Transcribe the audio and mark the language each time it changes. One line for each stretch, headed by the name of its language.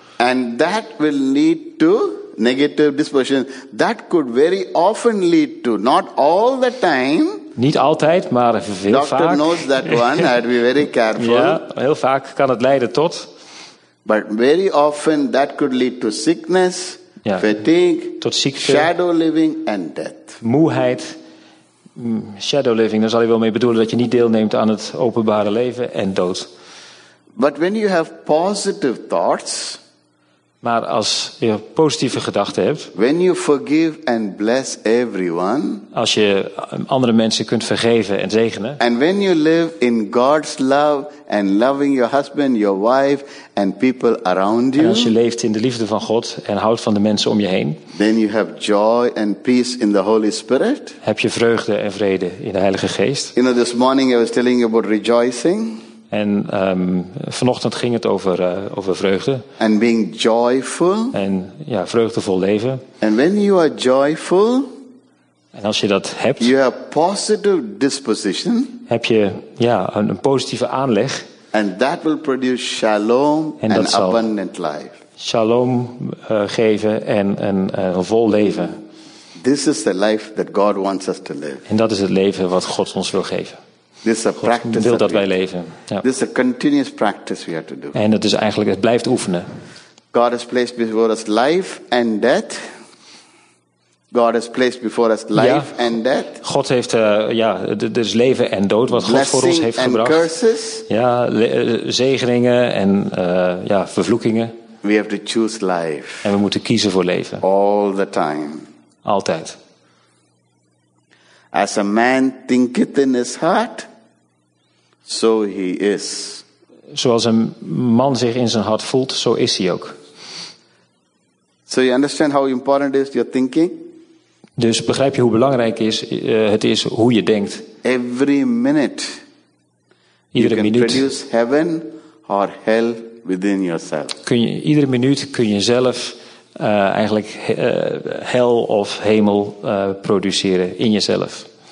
English: And that will lead to negative disposition. That could very often lead to, not all the time.
Dutch: Niet altijd, maar veel
English: doctor
Dutch: vaak.
English: Knows that one. I'd be very careful.
Dutch: Ja, heel vaak kan het leiden tot.
English: But very often that could lead to sickness, fatigue,
Dutch: tot ziekte,
English: shadow living and death.
Dutch: Moeheid,
English: shadow living.
Dutch: Daar zal je wel mee bedoelen dat je niet deelneemt aan het openbare leven en dood.
English: But when you have positive thoughts,
Dutch: maar als je positieve gedachten hebt,
English: when you forgive and bless everyone,
Dutch: als je andere mensen kunt vergeven en zegenen,
English: and when you live in God's love and loving your husband, your wife and people around you,
Dutch: en als je leeft in de liefde van God en houdt van de mensen om je heen,
English: then you have joy and peace in the Holy Spirit.
Dutch: Heb je vreugde en vrede in de Heilige Geest.
English: You know, this morning I was telling you about rejoicing.
Dutch: En vanochtend ging het over vreugde.
English: And being joyful.
Dutch: En ja, vreugdevol leven.
English: And when you are joyful,
Dutch: en als je dat hebt,
English: you have positive disposition.
Dutch: Heb je een positieve aanleg.
English: And that will produce shalom
Dutch: en dat
English: and
Dutch: zal
English: abundant life.
Dutch: Shalom geven en een vol leven.
English: This is the life that God wants us to live.
Dutch: En dat is het leven wat God ons wil geven.
English: This is a practice.
Dutch: God wil dat wij leven. Ja.
English: This is a continuous practice we have to do.
Dutch: En het is eigenlijk, het blijft oefenen.
English: God has placed before us life and death. God has placed before us life and death.
Dutch: God heeft dus leven en dood wat God voor ons heeft gebracht.
English: Curses.
Dutch: Ja, zegeningen en vervloekingen.
English: We have to choose life.
Dutch: En we moeten kiezen voor leven.
English: All the time.
Dutch: Altijd.
English: As a man thinketh in his heart, so he is.
Dutch: Zoals een man zich in zijn hart voelt, zo is hij ook.
English: So you understand how important it is your thinking?
Dutch: Dus begrijp je hoe belangrijk het is hoe je denkt.
English: Every minute,
Dutch: iedere
English: you can
Dutch: minuut
English: produce heaven or hell within yourself.
Dutch: Kun je iedere minuut kun je zelf eigenlijk hel of hemel produceren in jezelf.